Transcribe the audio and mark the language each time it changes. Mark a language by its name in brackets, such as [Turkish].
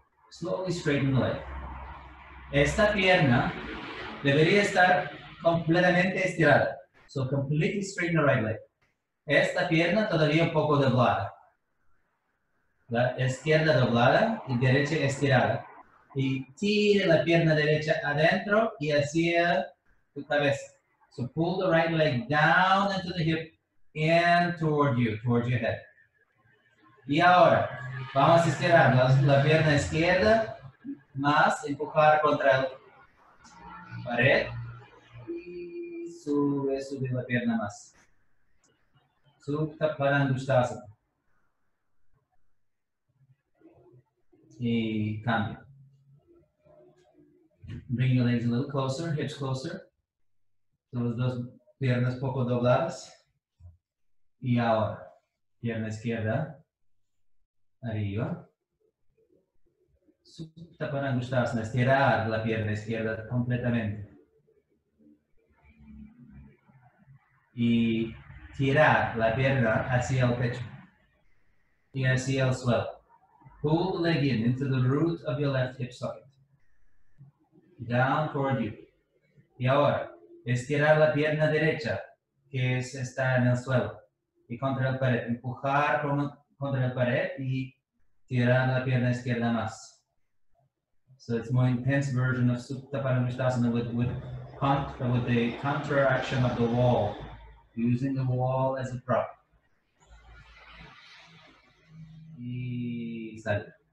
[English] Slowly straighten the leg. [Spanish] Esta pierna debería estar completamente estirada. [English] So completely straighten the right leg. [Spanish] Esta pierna todavía un poco doblada. La izquierda doblada y derecha estirada. Y tire la pierna derecha adentro y hacia tu cabeza. [English] So pull the right leg down into the hip and toward your head. [Spanish] Y ahora, vamos a estirar la pierna izquierda más empujar contra la pared. Y sube la pierna más. Supta Parangusthasana. Y cambio. [English] Bring your legs a little closer, hips closer. [Spanish] Las dos piernas poco dobladas. Y ahora, pierna izquierda, arriba. Supta Parangusthasana, estirar la pierna izquierda completamente. Y tirar la pierna hacia el pecho. Y hacia el suelo. [English] Pull the leg in into the root of your left hip socket. Down toward you. [Spanish] Y ahora, Estirar la pierna derecha, que es, está en el suelo, y contra la pared. Empujar contra la pared y tirar la pierna izquierda más. [English] So it's more intense version of Supta Paramishtasana with the counteraction of the wall, using the wall as a prop. [Spanish] Y sale.